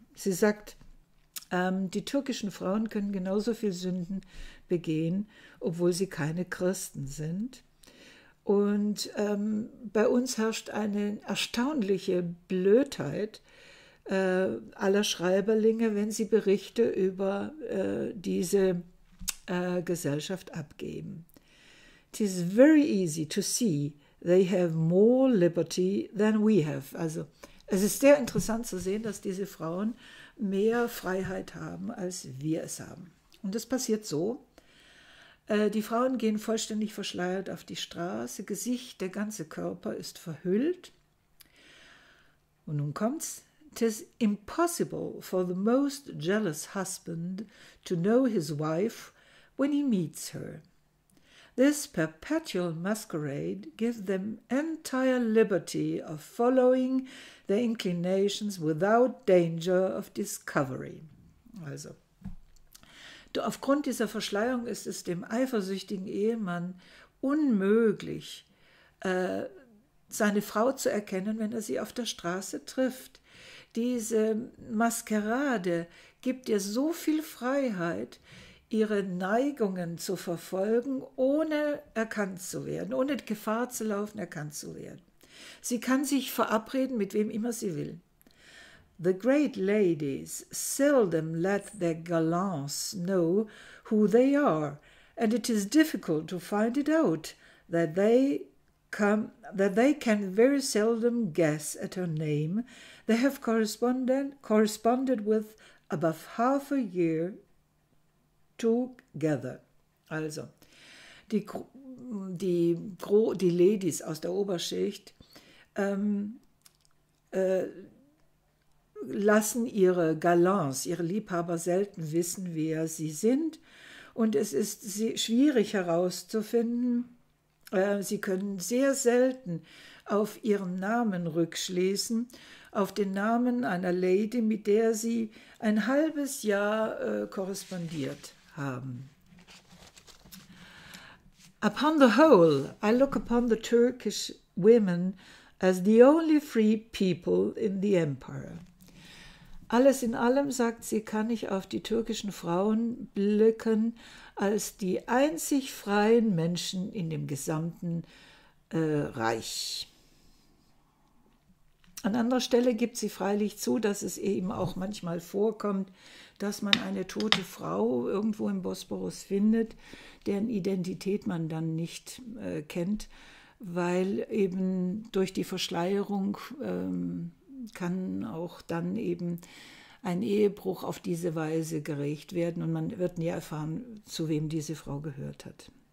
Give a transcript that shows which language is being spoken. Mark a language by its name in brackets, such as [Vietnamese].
[German] Sie sagt, die türkischen Frauen können genauso viel Sünden begehen, obwohl sie keine Christen sind. Und bei uns herrscht eine erstaunliche Blödheit aller Schreiberlinge, wenn sie Berichte über diese Gesellschaft abgeben. [English] It is very easy to see they have more liberty than we have. [German] Also es ist sehr interessant zu sehen, dass diese Frauen mehr Freiheit haben, als wir es haben. Und das passiert so. Die Frauen gehen vollständig verschleiert auf die Straße. Gesicht, der ganze Körper ist verhüllt. Und nun kommt's. [English] It is impossible for the most jealous husband to know his wife when he meets her. This perpetual masquerade gives them entire liberty of following their inclinations without danger of discovery. Also, [German] Aufgrund dieser Verschleierung ist es dem eifersüchtigen Ehemann unmöglich, seine Frau zu erkennen, wenn er sie auf der Straße trifft. Diese Maskerade gibt ihr so viel Freiheit, ihre Neigungen zu verfolgen, ohne erkannt zu werden, ohne Gefahr zu laufen, erkannt zu werden. Sie kann sich verabreden, mit wem immer sie will. [English] The great ladies seldom let their gallants know who they are, and it is difficult to find it out that they can very seldom guess at her name they have corresponded with above half a year together. [German] Also, die Ladies aus der Oberschicht lassen ihre Galants, ihre Liebhaber selten wissen, wer sie sind. Und es ist schwierig herauszufinden. Sie können sehr selten auf ihren Namen rückschließen, auf den Namen einer Lady, mit der sie ein halbes Jahr korrespondiert haben. [English] Upon the whole, I look upon the Turkish women as the only free people in the empire. [German] Alles in allem, sagt sie, kann ich auf die türkischen Frauen blicken als die einzig freien Menschen in dem gesamten Reich. An anderer Stelle gibt sie freilich zu, dass es eben auch manchmal vorkommt, dass man eine tote Frau irgendwo im Bosporus findet, deren Identität man dann nicht kennt, weil eben durch die Verschleierung kann auch dann eben ein Ehebruch auf diese Weise geregt werden und man wird nie erfahren, zu wem diese Frau gehört hat.